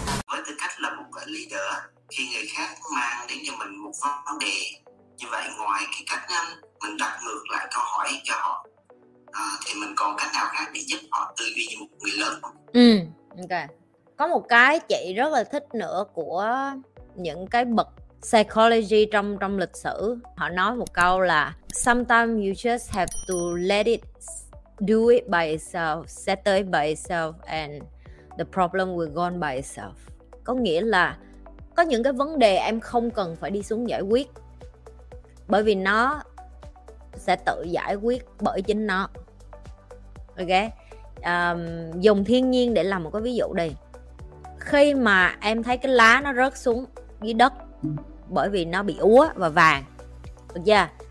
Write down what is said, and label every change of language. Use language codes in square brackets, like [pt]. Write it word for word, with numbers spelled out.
[vi] Với tư cách là một leader, khi người khác mang đến cho mình một vấn đề như vậy, ngoài cái cách mình đặt ngược lại câu hỏi cho họ, à, thì mình còn cách nào khác để giúp họ tư duy như một người lớn không? Ừ, ok. Có một cái chị rất là thích nữa của những cái bậc psychology trong trong lịch sử. Họ nói một câu là [en] sometimes you just have to let it do it by itself, settle it by itself and the problem will gone by itself. [vi] Có nghĩa là có những cái vấn đề em không cần phải đi xuống giải quyết, bởi vì nó sẽ tự giải quyết bởi chính nó. Ok. Um, dùng thiên nhiên để làm một cái ví dụ đi. Khi mà em thấy cái lá nó rớt xuống dưới đất bởi vì nó bị úa và vàng, được chưa?